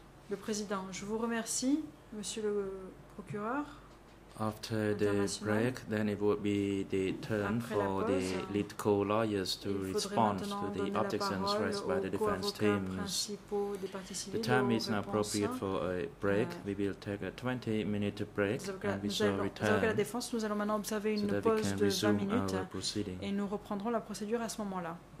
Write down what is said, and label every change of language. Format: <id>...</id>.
<fr>Le président, je vous remercie, monsieur le procureur.</fr> <en>After the break, then it will be the turn for the lead co-lawyers to respond to the objections raised by the defense teams. The time is now appropriate for a break. We will take a 20-minute break and we shall return.</en> <fr>La défense, nous allons maintenant observer une pause de 20 minutes et nous reprendrons la procédure à ce moment-là.</fr>